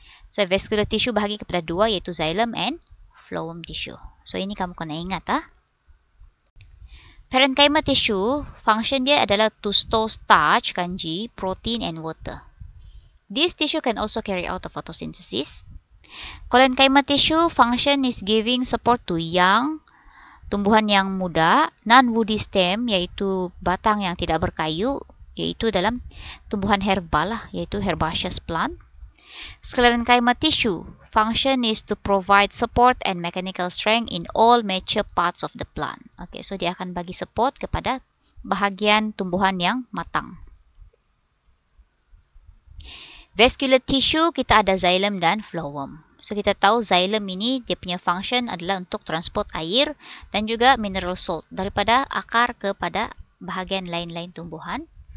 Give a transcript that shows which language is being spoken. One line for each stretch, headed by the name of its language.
Malay: So, vascular tissue bahagi kepada dua, iaitu xylem and phloem tissue. So, ini kamu kena ingat. Parenchyma tissue, function dia adalah
English: to store starch,
Malay: kanji,
English: protein and water. This tissue can also carry out the photosynthesis.
Malay: Collenchyma tissue,
English: function is giving support to young,
Malay: tumbuhan yang muda, non-woody stem, yaitu batang yang tidak berkayu, yaitu dalam tumbuhan herbal lah, yaitu herbaceous plant.
English: Sclerenchyma tissue, function is to provide support and mechanical strength in all mature parts of the plant.
Malay: Okay, so dia akan bagi support kepada bahagian tumbuhan yang matang. Vascular tissue, kita ada xylem dan phloem. So, kita tahu xylem ini dia punya function adalah untuk transport air dan juga mineral salt daripada akar kepada bahagian lain-lain tumbuhan.